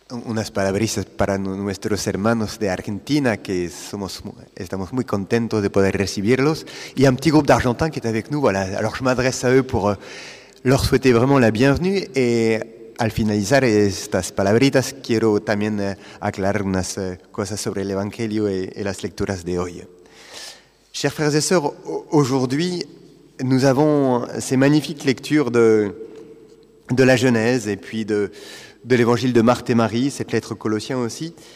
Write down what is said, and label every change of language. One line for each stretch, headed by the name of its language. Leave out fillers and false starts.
Spanish: unas palabritas para nuestros hermanos de Argentina, que estamos muy contentos de poder recibirlos.
French: Y un petit groupe d'Argentins qui est avec nous, voilà. Alors je m'adresse à eux pour leur souhaiter vraiment la bienvenue.
Spanish: Et al finalizar estas palabritas, quiero también aclarar unas cosas sobre el Evangelio y las lecturas de hoy.
French: Chers frères et sœurs, aujourd'hui, nous avons ces magnifiques lectures de la Genèse et puis de l'évangile de Marthe et Marie, cette lettre aux Colossiens aussi.